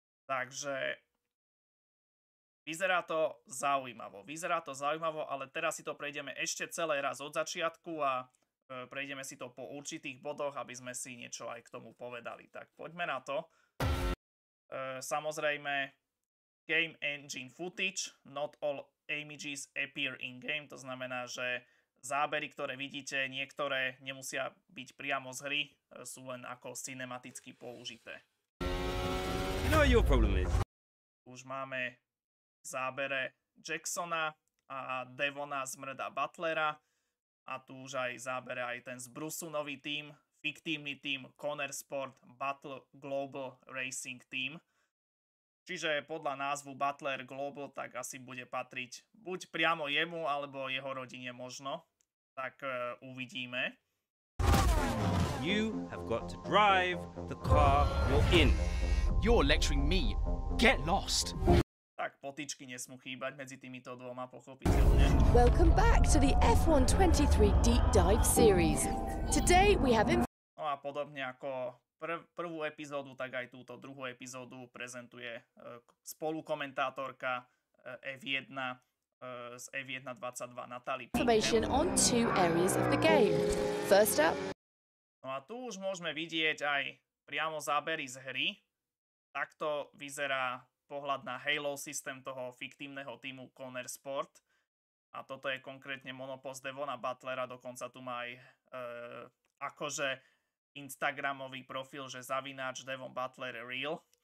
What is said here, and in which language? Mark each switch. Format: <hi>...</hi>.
<sk>Takže Vyzerá to zaujímavo, ale teraz si to prejdeme ešte celé raz od začiatku a prejdeme si to po určitých bodoch, aby sme si niečo aj k tomu povedali. Tak poďme na to. Samozrejme,</sk> <en>game engine footage, not all images appear in game,</en> <sk>to znamená, že zábery, ktoré vidíte, niektoré nemusia byť priamo z hry, sú len ako cinematicky použité.</sk> <en>You know what your problem is.</en> <sk>Už máme zábere Jacksona a Devona z Mrda Butlera a tu už aj zábere aj ten z Bruce'u nový tým, fiktívny tým Connor Sport Battle Global Racing Team. Čiže podľa názvu Butler Global, tak asi bude patriť buď priamo jemu, alebo jeho rodine možno. Tak uvidíme.</sk> <en>You have got to drive the car you're in. You're lecturing me. Get lost.</en> <sk>Tak potičky nesmú chýbať medzi týmito dvoma, pochopiteľne.</sk> <en>Welcome back to the F1 23 Deep Dive Series. Today we have</en> <sk>No a podobne ako prvú epizódu, tak aj túto druhú epizódu prezentuje spolukomentátorka F1 z F1 22 Natalie</sk> <en>Information on two areas of the game. First up.</en> <sk>No a tu už môžeme vidieť aj priamo zábery z hry. Takto vyzerá pohľad na Halo systém toho fiktívneho týmu Connor Sport. A toto je konkrétne monopost Devona Butlera, dokonca tu má aj akože Instagramový profil, že zavináč Devon Butler real.</sk>